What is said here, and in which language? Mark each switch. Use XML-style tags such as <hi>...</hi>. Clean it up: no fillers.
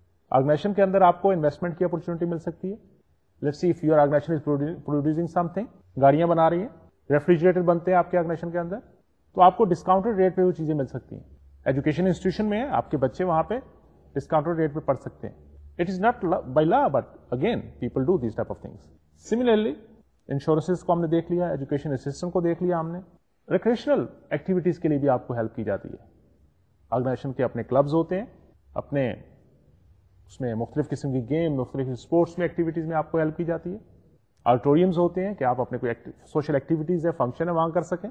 <ur>Organization کے اندر آپ کو انویسٹمنٹ کی اپرچونیٹی مل سکتی ہے.</ur> <en>let see if your organisation is producing something,</en> <ur>گاڑیاں بنا رہی ہیں, ریفریجریٹر بنتے ہیں آپ کے آرگنائزیشن کے اندر, تو آپ کو ڈسکاؤنٹڈ ریٹ پہ وہ چیزیں مل سکتی ہیں. ایجوکیشن انسٹیٹیوشن میں آپ کے بچے وہاں پہ discounted rate پہ پڑھ سکتے ہیں.</ur> <en>It is not by law, but again, people do these type of things.</en> <ur>Similarly, insurances کو ہم نے دیکھ لیا, education assistance کو دیکھ لیا ہم نے. Recreational activities کے لیے بھی آپ کو ہیلپ کی جاتی ہے. آرگنائزیشن کے اپنے کلبز ہوتے ہیں, اپنے اس میں مختلف قسم کی گیم, مختلف اسپورٹس میں ایکٹیویٹیز میں آپ کو ہیلپ کی جاتی ہے. آڈیٹوریمز ہوتے ہیں کہ آپ اپنے کوئی سوشل ایکٹیویٹیز ہے, فنکشن ہے, وہاں کر سکیں.</ur>